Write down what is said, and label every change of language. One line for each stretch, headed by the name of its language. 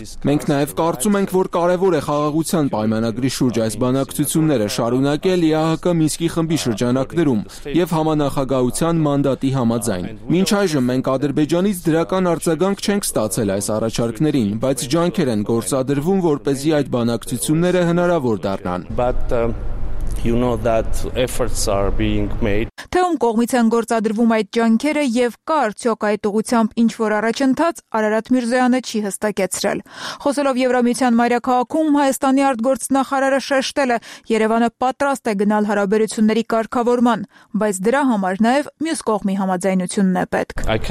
Armenian: Մենք նաև կարծում ենք, որ կարևոր է խաղաղության պայմանագրի շուրջ այս բանակցությունները շարունակել ԵԱՀԿ Մինսկի խմբի շրջանակներում և համանախագահության մանդատի համաձայն։ Մինչ այժմ մենք Ադրբեջանից դրական արձագանք չենք ստացել այս առաջարկներին, բայց ջանքեր են գործադրվում, որպեսզի այդ բանակցությունները հնարավոր դառնան։
English: You know that efforts are being made.
Armenian: Թե ում կողմից են գործադրվում այդ ջանքերը եւ կա արդյոք այդ ուղությամբ ինչ որ առաջընթաց, Արարատ Միրզոյանը չի հստակեցրել։ Խոսելով Եվրամիության մայրաքաղաքում, Հայաստանի արտգործնախարարը շեշտել է, Երևանը պատրաստ է գնալ հարաբերությունների կարգավորման, բայց դրա համար նաեւ մյուս կողմի համաձայնությունն է պետք։